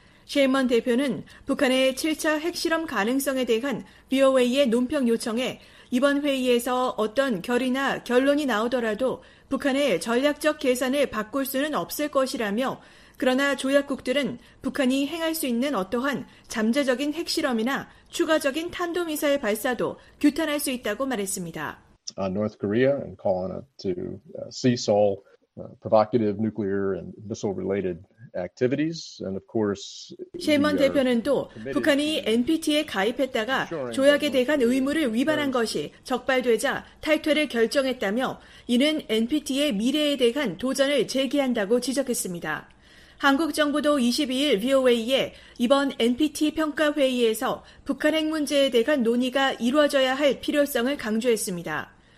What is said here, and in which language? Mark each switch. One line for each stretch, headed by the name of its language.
Korean: 셰이먼 대표는 북한의 7차 핵실험 가능성에 대한 BOA의 논평 요청에 이번 회의에서 어떤 결의나 결론이 나오더라도 북한의 전략적 계산을 바꿀 수는 없을 것이라며 그러나 조약국들은 북한이 행할 수 있는 어떠한 잠재적인 핵실험이나 추가적인 탄도미사일 발사도 규탄할 수 있다고 말했습니다.
English: North Korea and call on it to cease all provocative nuclear and missile related activities. And of course,
Korean: 셰먼 대표는 또 북한이 NPT에 가입했다가 조약에 대한 의무를 위반한 것이 적발되자 탈퇴를 결정했다며 이는 NPT의 미래에 대한 도전을 제기한다고 지적했습니다. 한국 정부도 22일 VOA에 이번 NPT 평가 회의에서 북한 핵 문제에 대한 논의가 이루어져야 할 필요성을 강조했습니다.